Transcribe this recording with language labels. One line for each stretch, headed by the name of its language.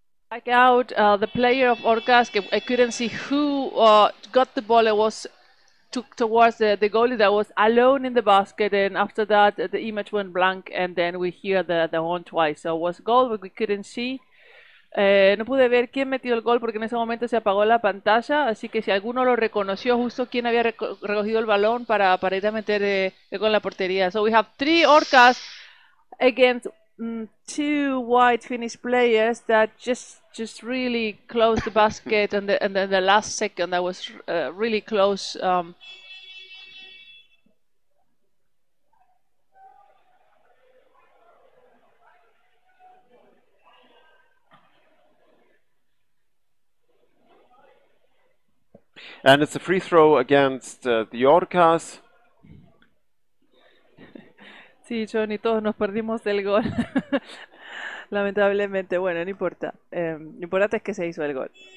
English: Back out, the player of Orcas, I couldn't see who got the ball, it was took towards the goalie that was alone in the basket, and after that the image went blank, and then we hear the horn twice. So it was goal, but we couldn't see.
Spanish: No pude ver quién metió el gol porque en ese momento se apagó la pantalla, así que si alguno lo reconoció justo quién había recogido el balón para ir a meter con la portería.
English: So we have three Orcas against two white Finnish players that just really closed the basket, and then the last second that was really close. And it's a free throw against the Orcas.
Spanish: Sí, John y todos nos perdimos el gol. Lamentablemente, bueno, no importa. Lo importante es que se hizo el gol.